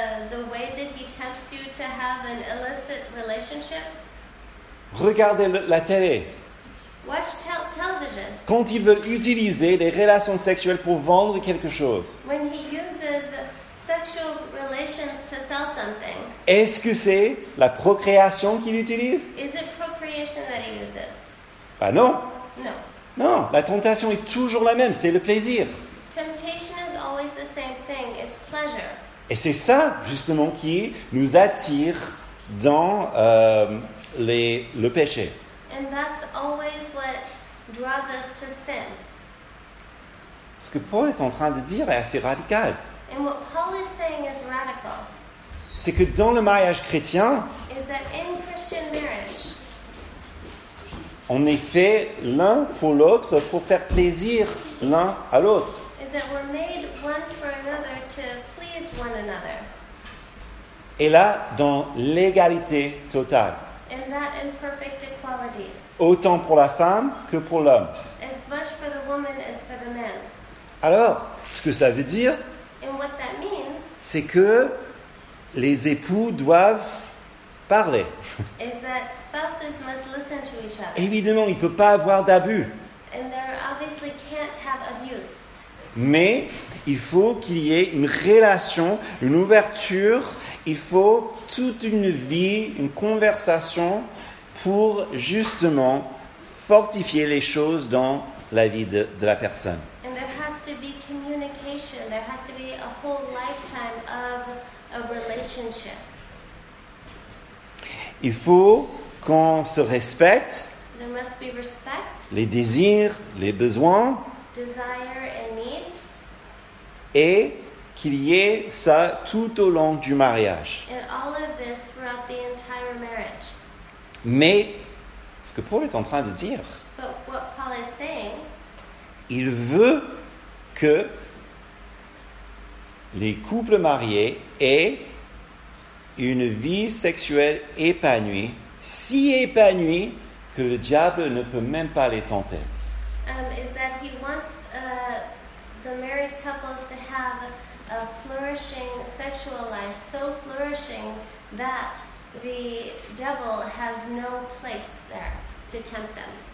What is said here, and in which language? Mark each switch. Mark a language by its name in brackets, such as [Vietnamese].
[English] The way that he tempts you to have an illicit relationship? [French] Regardez la télé. [English] Watch television. [French] Quand il veut utiliser les relations sexuelles pour vendre quelque chose. [English] When he uses sexual relations to sell something. [French] Est-ce que c'est la procréation qu'il utilise? [English] Is it procreation that he uses? [French] Ben non. [English] No. [French] Non, la tentation est toujours la même, c'est le plaisir. [English] Temptation is always the same thing, it's pleasure. [French] Et c'est ça, justement, qui nous attire dans le péché. [English] And that's always what draws us to sin. [French] Ce que Paul est en train de dire est assez radical. [English] And what Paul is saying is radical. [French] C'est que dans le mariage chrétien, [English] is that in Christian marriage, [French] on est fait l'un pour l'autre pour faire plaisir l'un à l'autre. [English] Is that we're made one for another to please one another. [French] Et là, dans l'égalité totale. [English] In that imperfect equality. [French] Autant pour la femme que pour l'homme. [English] As much for the woman as for the man. [French] Alors, ce que ça veut dire, [English] and what that means, [French] c'est que les époux doivent parler. [English] Is that spouses must listen to each other. [French] Évidemment, il ne peut pas avoir d'abus. [English] And there obviously can't have abuse. [French] Mais il faut qu'il y ait une relation, une ouverture, il faut toute une vie, une conversation pour justement fortifier les choses dans la vie de la personne. [English] And there has to be communication, there has to be a whole lifetime of a relationship. [French] Il faut qu'on se respecte. [English] There must be respect. [French] Les désirs, les besoins. [English] Desire and needs. [French] Et qu'il y ait ça tout au long du mariage. [English] And all of this throughout the entire marriage. [French] Mais ce que Paul est en train de dire, [English] but what Paul is saying, [French] il veut que les couples mariés aient une vie sexuelle épanouie, si épanouie que le diable ne peut même pas les tenter. [English] Is that he wants the married couples to have a flourishing sexual life, so flourishing that the devil has no place there to tempt them.